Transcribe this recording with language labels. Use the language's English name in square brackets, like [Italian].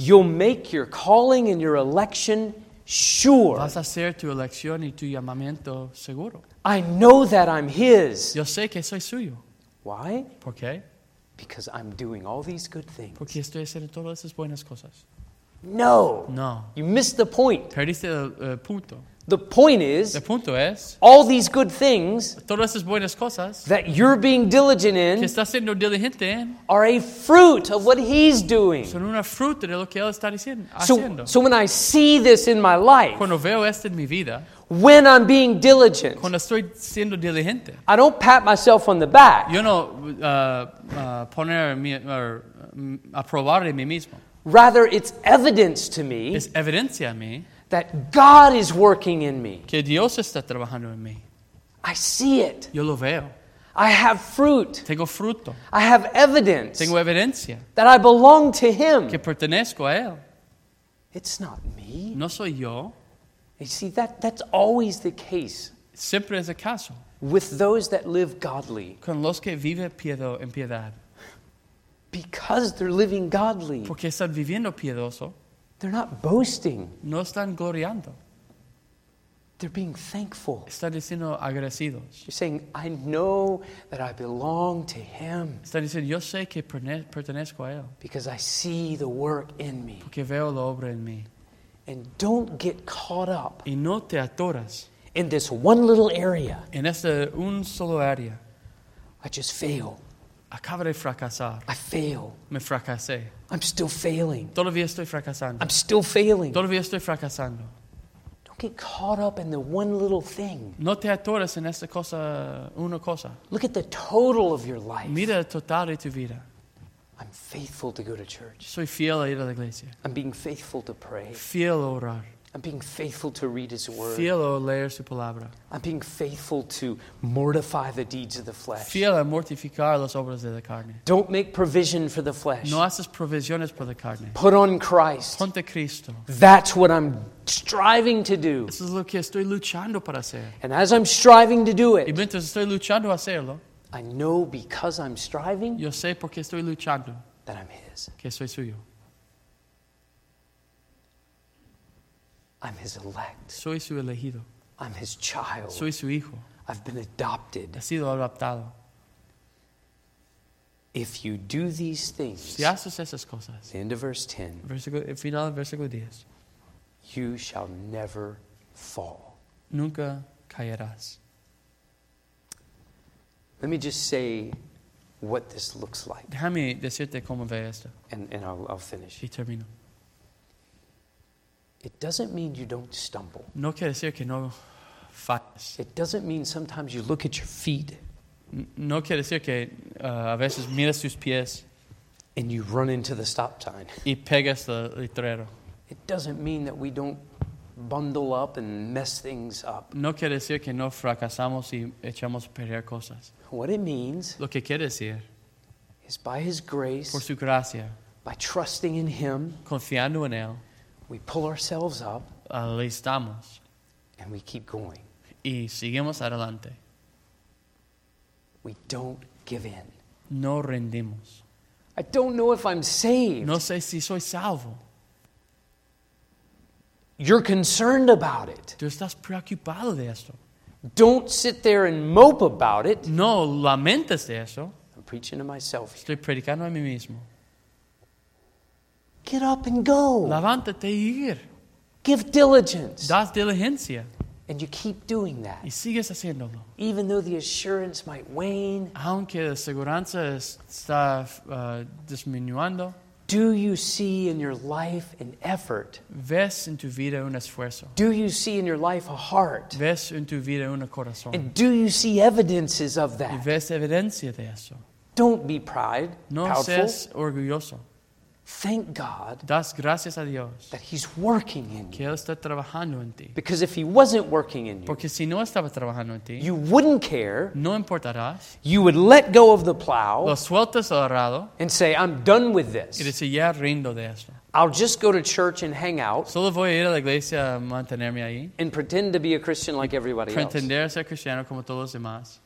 [English] you'll make your calling and your election sure. [Spanish] Vas a hacer tu elección y tu llamamiento seguro. [English] I know that I'm his. [Spanish] Yo sé que soy suyo. [English] Why? [Spanish] ¿Por qué? [English] Because I'm doing all these good things. [Spanish] Porque estoy haciendo todas esas buenas cosas. [English] No. [Spanish] No. [English] You missed the point. [Spanish] Perdiste el punto. [English] The point is. [Spanish] El punto es. [English] All these good things. [Spanish] Todas esas buenas cosas. [English] That you're being diligent in. [Spanish] Que estás siendo diligente en. [English] Are a fruit of what he's doing. [Spanish] Son una fruta de lo que él está haciendo. [English] So when I see this in my life. [Spanish] Cuando veo esto en mi vida. [English] When I'm being diligent. [Spanish] Cuando estoy siendo diligente. [English] I don't pat myself on the back. [Spanish] Yo no poner mi, aprobar de mí mismo. [English] Rather, it's evidence to me. [Spanish] Es evidencia a mí. [English] That God is working in me. [Spanish] Que Dios está trabajando en mí. [English] I see it. [Spanish] Yo lo veo. [English] I have fruit. [Spanish] Tengo fruto. [English] I have evidence. [Spanish] Tengo evidencia. [English] That I belong to him. [Spanish] Que pertenezco a él. [English] It's not me. [Spanish] No soy yo. [English] You see, that's always the case. [Spanish] Siempre es el caso. [English] With those that live godly. [Spanish] Con los que viven piedo en piedad. [English] Because they're living godly. [Spanish] Porque están viviendo piedoso. [English] They're not boasting. [Spanish] No están gloriando. [English] They're being thankful. [Spanish] Están diciendo agradecidos. [English] You're saying, I know that I belong to him. [Spanish] Están diciendo, yo sé que pertenezco a él. [English] Because I see the work in me. [Spanish] Porque veo la obra en mí. [English] And don't get caught up [Spanish] y no te atoras [English] in this one little area. [Spanish] En esta un solo área. [English] I just fail. [Spanish] Acabo de fracasar. [English] I fail. [Spanish] Me fracasé. [English] I'm still failing. [Spanish] Todavía estoy fracasando. [English] I'm still failing. [Spanish] Todavía estoy fracasando. [English] Don't get caught up in the one little thing. [Spanish] No te atoras en esta cosa, una cosa. [English] Look at the total of your life. [Spanish] Mira el total de tu vida. [English] I'm faithful to go to church. [Spanish] Soy fiel a ir a la iglesia. [English] I'm being faithful to pray. [Spanish] Fiel a orar. [English] I'm being faithful to read his word. [Spanish] Fiel a leer su palabra. [English] I'm being faithful to mortify the deeds of the flesh. [Spanish] Fiel a mortificar las obras de la carne. [English] Don't make provision for the flesh. [Spanish] No haces provisiones por la carne. [English] Put on Christ. [Spanish] Ponte Cristo. [English] That's what I'm striving to do. [Spanish] Eso es lo que estoy luchando para hacer. [English] And as I'm striving to do it. [Spanish] Y mientras estoy luchando a hacerlo. [English] I know because I'm striving. [Spanish] Yo sé porque estoy luchando. [English] That I'm his. [Spanish] Que soy suyo. [English] I'm his elect. [Spanish] Soy su elegido. [English] I'm his child. [Spanish] Soy su hijo. [English] I've been adopted. [Spanish] He sido adoptado. [English] If you do these things. [Spanish] Si haces esas cosas. [English] The end of verse 10. [Spanish] Final de versículo 10. [English] You shall never fall. [Spanish] Nunca caerás. [English] Let me just say what this looks like. [Spanish] Déjame decirte cómo ve esto. [English] And I'll finish. [Spanish] Y termino. [English] It doesn't mean you don't stumble. [Spanish] No quiere decir que no fallas. [English] It doesn't mean sometimes you look at your feet. [Spanish] No quiere decir que a veces miras tus pies. [English] And you run into the stop sign. [Spanish] Y pegas el letrero. [English] It doesn't mean that we don't bundle up and mess things up. [Spanish] No quiere decir que no fracasamos y echamos a perder cosas. [English] What it means [Spanish] lo que quiere decir [English] is by His grace, [Spanish] por su gracia, [English] by trusting in Him, [Spanish] confiando en Él, [English] we pull ourselves up, [Spanish] alistamos, [English] and we keep going. [Spanish] Y seguimos adelante. [English] We don't give in. [Spanish] No rendimos. [English] I don't know if I'm saved. [Spanish] No sé si soy salvo. [English] You're concerned about it. [Spanish] Tú estás preocupado de esto. [English] Don't sit there and mope about it. [Spanish] No lamentes de eso. [English] I'm preaching to myself. [Spanish] Estoy predicando a mí mismo. [English] Get up and go. [Spanish] Levántate y ir. [English] Give diligence. [Spanish] Das diligencia. [English] And you keep doing that. [Spanish] Y sigues haciéndolo. [English] Even though the assurance might wane. [Spanish] Aunque la seguridad está disminuyendo. [English] Do you see in your life an effort? [Spanish] Ves en tu vida un esfuerzo. [English] Do you see in your life a heart? [Spanish] Ves en tu vida un corazón. [English] And do you see evidences of that? [Spanish] Y ves evidencia de eso. [English] Don't be proud. [Spanish] No seas orgulloso. [English] Thank God. [Spanish] Das gracias a Dios. [English] That He's working in you. [Spanish] Que Él está trabajando en ti. [English] Because if He wasn't working in you. [Spanish] Porque si no estaba trabajando en ti. [English] You wouldn't care. [Spanish] No importarás. [English] You would let go of the plow. [Spanish] Lo sueltas al arado. [English] And say, I'm done with this. [Spanish] Y dice, ya rindo de esto. [English] I'll just go to church and hang out. [Spanish] Solo voy a ir a la iglesia a mantenerme ahí. [English] And pretend to be a Christian like everybody [Spanish] pretender else. Ser cristiano como todos los demás.